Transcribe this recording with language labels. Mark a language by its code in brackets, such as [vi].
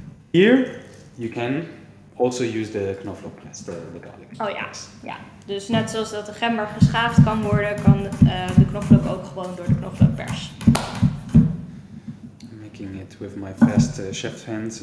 [en] here you can also use the knoflook as the garlic. [nl] Oh ja, ja. Dus net zoals dat de gember geschaafd kan worden, kan de knoflook ook gewoon door de knoflookpers. [en] I'm making it with my fast chef's hands.